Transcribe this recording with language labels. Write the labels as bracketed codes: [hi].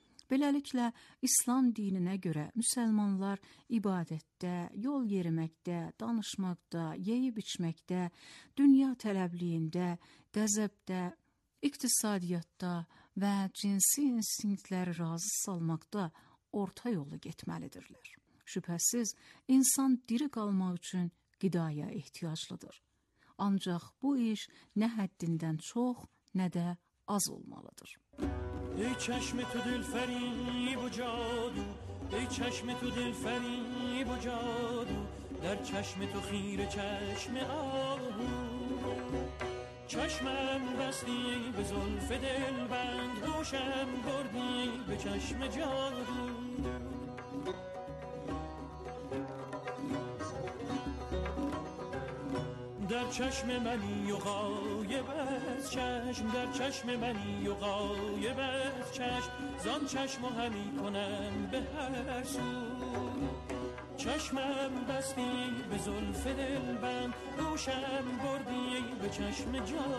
[az] Beləliklə, İslam dininə görə müsəlmanlar ibadətdə, yol yeriməkdə, danışmaqda, yeyib içməkdə, dünya tələbliyində, qəzəbdə, iqtisadiyyatda və cinsi instinktləri razı salmaqda orta yolu getməlidirlər. Şübhəsiz, insan diri qalmaq üçün qidaya ehtiyaclıdır. Ancaq bu iş nə həddindən çox, nə də az olmalıdır. [fa] Ey çeşmi tü dilferi bu cadu, ey çeşmi tü dilferi bu cadu, der çeşmi tü xire çeşmi ahu. چشمم بستی به زلف دل بند روشم بردی به چشم جادو در چشم منی و غایب از چشم در چشم منی و غایب از چشم زان چشم همی کنم به هر سو چشمم بستی به زلف دل بند روشم بردی به چشم جادو